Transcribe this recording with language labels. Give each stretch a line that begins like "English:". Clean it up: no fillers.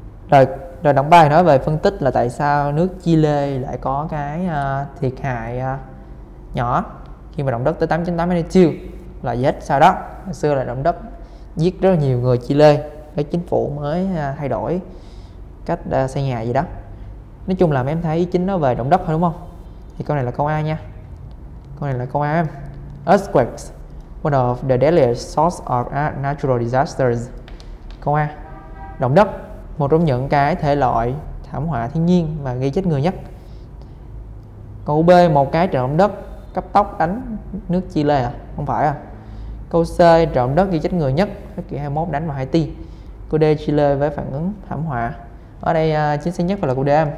Vietnamese: Rồi động 3 thì nói về phân tích là tại sao nước Chile lại có cái thiệt hại nhỏ khi mà động đất tới 8.8 magnitude là gì hết sao đó. Hồi xưa là động đất giết rất là nhiều người Chile, cái chính phủ mới thay đổi cách xây nhà gì đó. Nói chung là mấy em thấy chính nó về động đất thôi đúng không? Thì câu này là câu A nha. Câu này là câu A em.
English: Earthquakes, one of the deadliest source of natural disasters.
Vietnamese: Câu A. Động đất, một trong những cái thể loại thảm họa thiên nhiên mà gây chết người nhất. Câu B, một cái trận động đất cấp tốc đánh nước Chile à? Không phải à? Câu C, trận động đất gây chết người nhất thế kỷ 21 đánh vào Haiti. Câu D, Chile với phản ứng thảm họa. Ở đây chính xác nhất là câu D.